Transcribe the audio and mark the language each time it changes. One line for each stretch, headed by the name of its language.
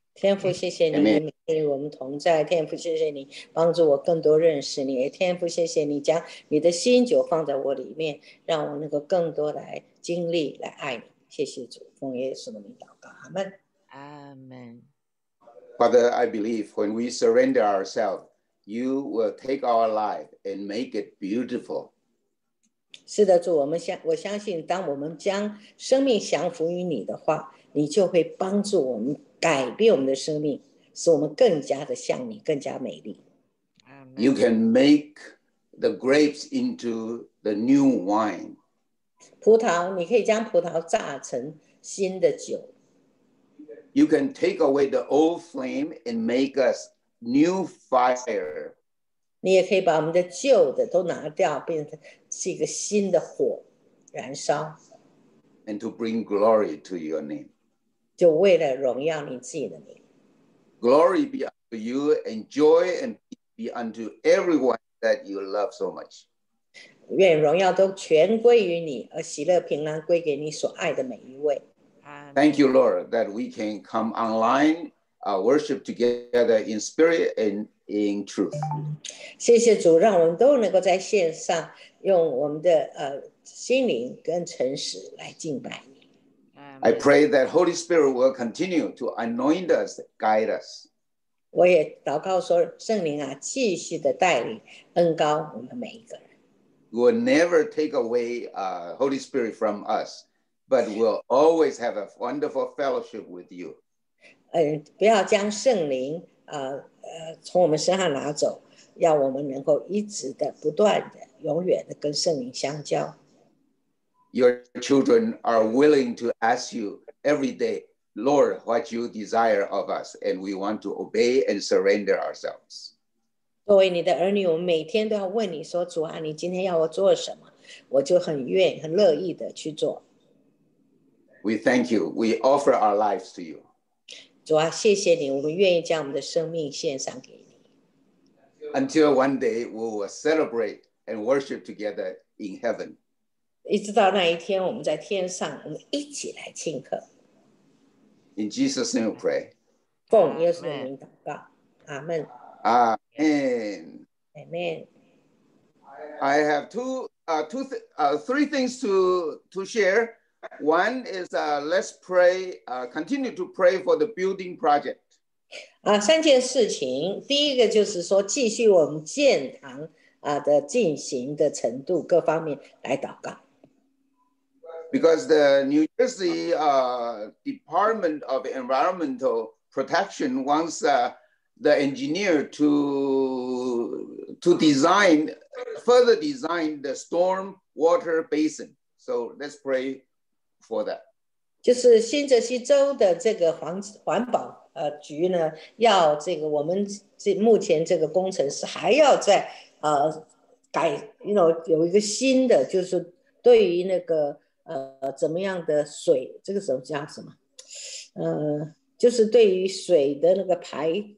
Chinese: 天父谢谢你与我们同在，天父谢谢你帮助我更多认识你，天父谢谢你将你的心就放在我里面，让我能够更多来经历来爱你。谢谢主，奉耶稣的名祷告，阿们，阿们。
English: Father, I believe when we surrender ourselves, you will take our life and make it beautiful.
Chinese: 是的，主，我相信当我们将生命降服于你的话，你就会帮助我们改变我们的生命，使我们更加的像你，更加美丽。
English: You can make the grapes into the new wine.
Chinese: 葡萄，你可以将葡萄榨成新的酒。
English: You can take away the old flame and make us new fire.
Chinese: 你也可以把我们的旧的都拿掉，变成是一个新的火燃烧。
English: And to bring glory to your name.
Chinese: 就为了荣耀你自己的名。
English: Glory be unto you and joy and peace be unto everyone that you love so much.
Chinese: 愿荣耀都全归于你，而喜乐平安归给你所爱的每一位。
English: Thank you, Lord, that we can come online, worship together in spirit and in truth.
Chinese: 谢谢主，让我们都能够在线上用我们的心灵跟诚实来敬拜你。
English: I pray that Holy Spirit will continue to anoint us, guide us.
Chinese: 我也祷告说，圣灵啊，继续的带领恩膏我们每一个人。
English: You will never take away Holy Spirit from us. But we'll always have a wonderful fellowship with you.
Chinese: 不要将圣灵从我们身上拿走，要我们能够一直的、不断的、永远的跟圣灵相交。
English: Your children are willing to ask you every day, Lord, what you desire of us, and we want to obey and surrender ourselves.
Chinese: 作为你的儿女，我们每天都要问你说：“主啊，你今天要我做什么？”我就很愿、很乐意的去做。
English: We thank you. We offer our lives to you.
Chinese: 主啊，谢谢你，我们愿意将我们的生命献上给你。
English: Until one day we will celebrate and worship together in heaven.
Chinese: 一直到那一天，我们在天上，我们一起来庆贺。
English: In Jesus' name, we pray.
Chinese: 奉耶稣的名祷告，阿门。
English: Amen. Amen. I have three things to share. One is let's pray, continue to pray for the building project.
Chinese: 三件事情，第一个就是说继续我们建堂的进行的程度各方面来祷告。
English: Because the New Jersey Department of Environmental Protection wants the engineer to design, further design the storm water basin. So let's pray for that.
Chinese: 就是新泽西州的这个 环保局呢，要这个我们这目前这个工程师还要再改 you know, 有一个新的，就是对于那个怎么样的水，这个时候叫什么就是对于水的那个排